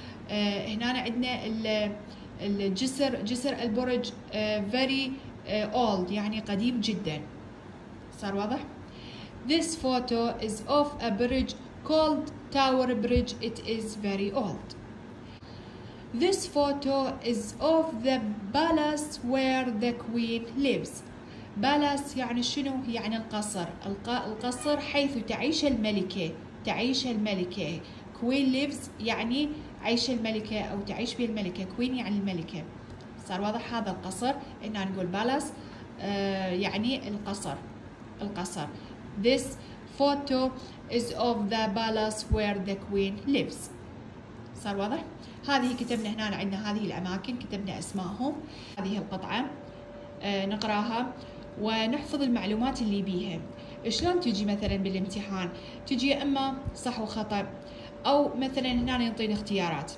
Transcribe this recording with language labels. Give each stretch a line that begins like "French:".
Arabic: هنا عندنا الجسر، جسر البرج.
English: Very old
Arabic: يعني قديم جدا. صار واضح؟
English: This photo is of a bridge called Tower Bridge. It is very old. This photo is of the palace where the queen lives.
Arabic: Palace يعني شنو؟ يعني القصر. القصر حيث تعيش الملكة. تعيش الملكة.
English: Queen lives
Arabic: يعني عيش الملكة أو تعيش به الملكة. Queen يعني الملكة. صار واضح؟ هذا القصر. إننا نقول palace يعني القصر. القصر.
English: This photo is of the palace where the queen lives.
Arabic: صار واضح؟ هذه كتبنا هنا، عندنا هذه الأماكن كتبنا أسماءهم. هذه القطعة نقرأها ونحفظ المعلومات اللي بيها. شلون تجي مثلا بالامتحان؟ تجي أما صح وخطأ، أو مثلا هنا يعطينا اختيارات.